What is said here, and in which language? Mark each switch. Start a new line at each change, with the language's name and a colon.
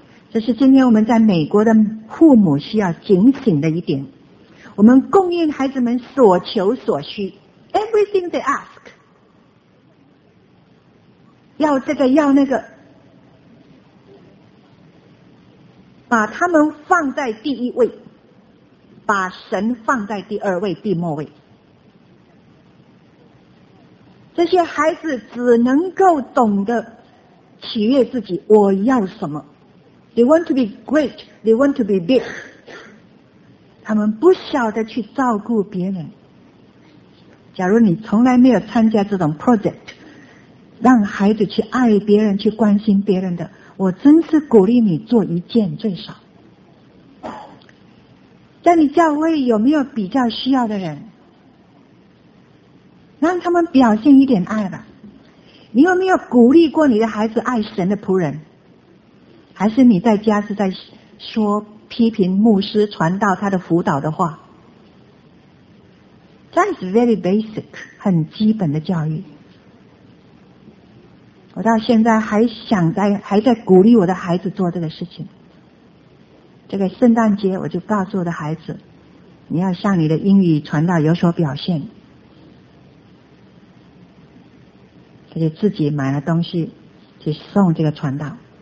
Chinese: 这是今天我们在美国的父母需要警醒的一点，我们供应孩子们所求所需，
English: everything they ask，
Chinese: 要这个要那个，把他们放在第一位，把神放在第二位、第末位。这些孩子只能够懂得取悦自己，我要什么。
English: They want to be great, they want to be big.
Chinese: 他们不晓得去照顾别人。假如你从来没有参加这种 project， 让孩子去爱别人，去关心别人的，我真是鼓励你做一件最少。在你教会有没有比较需要的人？让他们表现一点爱吧。你有没有鼓励过你的孩子爱神的仆人？还是你在家是在说批评牧师传道他的辅导的话？
English: That is very basic，
Chinese: 很基本的教育。我到现在还在鼓励我的孩子做这个事情。这个圣诞节我就告诉我的孩子，你要向你的英语传道有所表现。他就自己买了东西去送这个传道。